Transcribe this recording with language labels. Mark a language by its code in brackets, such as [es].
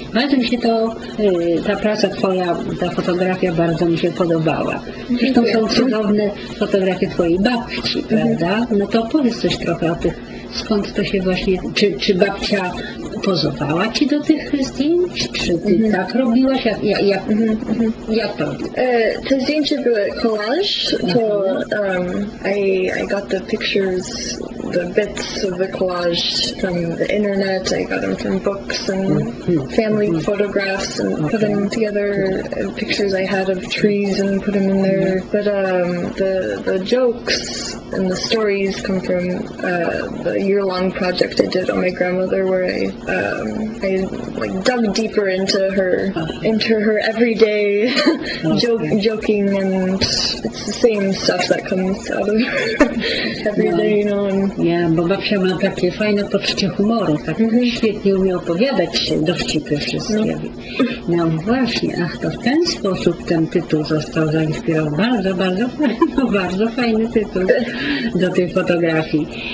[pl] Bardzo mi się to, ta praca twoja, ta fotografia bardzo mi się podobała. Zresztą są cudowne fotografie twojej babci, prawda? No to powiedz coś trochę o tych, skąd to się właśnie, czy babcia pozowała ci do tych zdjęć, czy ty tak robiłaś, jak to? Te zdjęcia były collage, to [en] I got the pictures, the bits of the collage from the internet, I got them from books and family photographs and put them together, pictures I had of trees and put them in there, but the jokes and the stories come from the year-long project I did on my grandmother where I like dug deeper into her everyday joking, and it's the same stuff that comes out of every day, you know. Yeah, [pl] bo babcia ma takie fajne poczucie humoru, tak świetnie umie opowiadać się dowcipy wszystkie. No właśnie, ach, to w ten sposób ten tytuł został zainspirowany. Bardzo, bardzo fajny, bardzo fajny tytuł do tej fotografii.